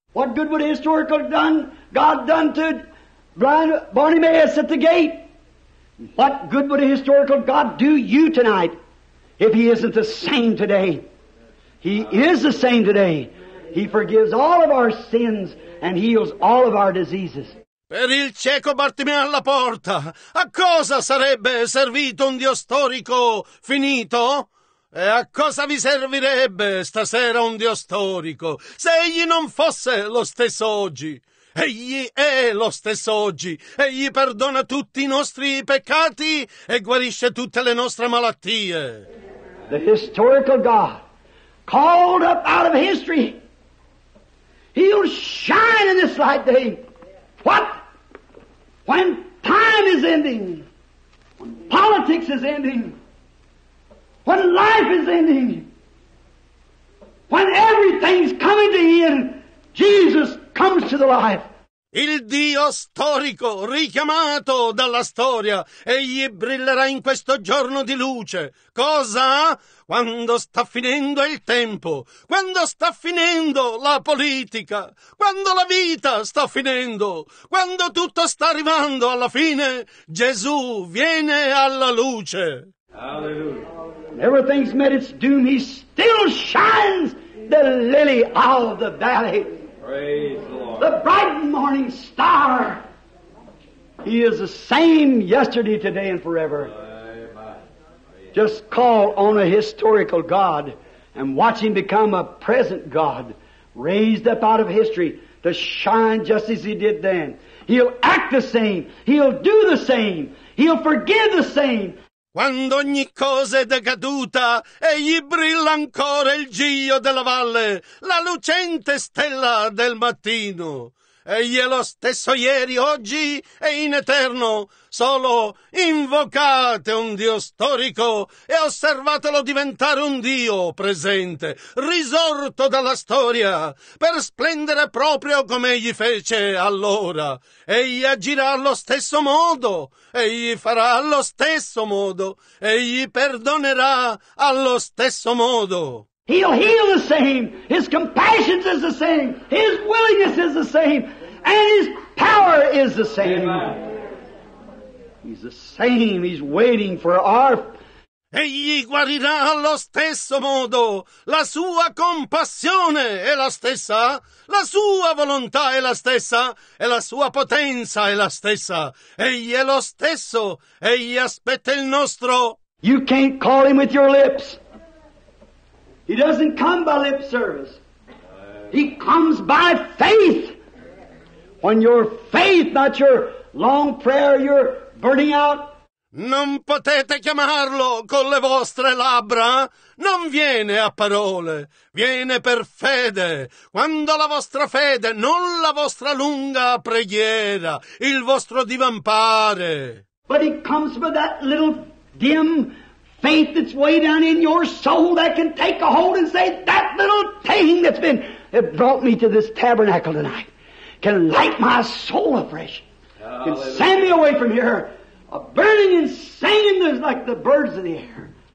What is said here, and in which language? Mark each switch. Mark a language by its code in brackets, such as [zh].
[en] What good would a historical God done to blind Bartimaeus at the gate? What good would a historical God do you tonight if he isn't the same today? He is the same today. He forgives all of our sins and heals all of our diseases. [it] Per il cieco Bartimeo alla porta, a cosa sarebbe servito un Dio storico finito? E a cosa vi servirebbe stasera un Dio storico se egli non fosse lo stesso oggi? Egli è lo stesso oggi. Egli perdona tutti i nostri peccati e guarisce tutte le nostre malattie. [en] The historical God, called up out of history, he'll shine in this light day. What? When time is ending, when politics is ending, when life is ending, when everything's coming to end, Jesus comes to the life. [it] Il Dio storico, richiamato dalla storia, egli brillerà in questo giorno di luce. Cosa? Quando sta finendo il tempo, quando sta finendo la politica, quando la vita sta finendo, quando tutto sta arrivando alla fine, Gesù viene alla luce. [en] Hallelujah. Everything's met its doom. He still shines the lily of the valley. Praise the Lord. The bright morning star. He is the same yesterday, today, and forever. Amen. Just call on a historical God and watch him become a present God, raised up out of history to shine just as he did then. He'll act the same. He'll do the same. He'll forgive the same. [it] Quando ogni cosa è decaduta, egli brilla ancora il giglio della valle, la lucente stella del mattino. Egli è lo stesso ieri, oggi e in eterno. Solo invocate un Dio storico e osservatelo diventare un Dio presente, risorto dalla storia, per splendere proprio come egli fece allora. Egli agirà allo stesso modo, egli farà allo stesso modo, egli perdonerà allo stesso modo. [en] He'll heal the same, his compassion is the same, his willingness is the same, and his power is the same. Amen. He's the same. He's waiting for our... [it] Egli guarirà allo stesso modo. La sua compassione è la stessa. La sua volontà è la stessa. E la sua potenza è la stessa. Egli è lo stesso. Egli aspetta il nostro. [en] You can't call him with your lips. He doesn't come by lip service. He comes by faith. When your faith, not your long prayer, your... burning out. [it] Non potete chiamarlo con le vostre labbra. Non viene a parole. Viene per fede. Quando la vostra fede, non la vostra lunga preghiera, il vostro divampare. [en] But he comes with that little dim faith that's way down in your soul that can take a hold and say, that little thing that's been that brought me to this tabernacle tonight can light my soul afresh. Hallelujah. Can send me away from here a burning and singing that's like the birds in the air.